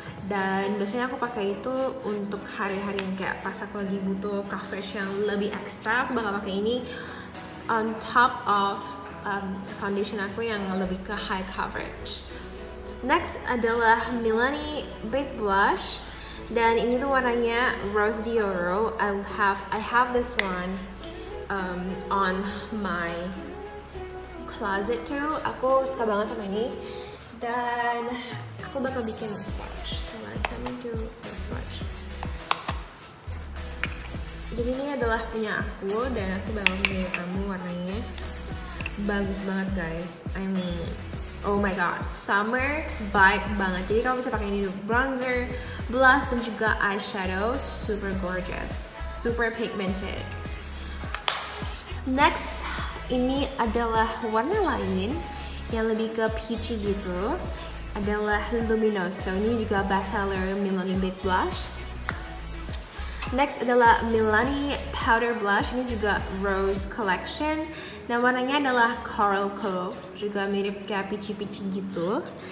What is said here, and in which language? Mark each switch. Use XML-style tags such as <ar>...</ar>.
<id>Dan biasanya aku pakai itu untuk hari-hari yang kayak pas aku lagi butuh coverage yang lebih ekstra, aku bakal pakai ini</id> <en>on top of</en> <id>foundation aku yang lebih ke high coverage. Next adalah Milani Big Blush. Dan ini tuh warnanya Rose D'Oro.</id> <en>I have this one on my closet too.</en> <id>Aku suka banget sama ini. Dan aku bakal bikin a swatch.</id> <en>So let me do a swatch.</en> <id>Jadi ini adalah punya aku dan aku bakal punya kamu warnanya. Bagus banget guys,</id> <en>I mean, oh my god,</en> <id>summer vibe banget. Jadi kamu bisa pakai ini untuk bronzer, blush, dan juga eyeshadow.</id> <en>Super gorgeous, super pigmented.</en> <id>Next, ini adalah warna lain yang lebih ke peachy gitu, adalah Luminoso. Ini juga bestseller Milani Big Blush. Next adalah Milani Powder Blush. Ini juga Rose Collection. Dan warnanya adalah Coral Cove, juga mirip kayak peachy-peachy gitu.</id>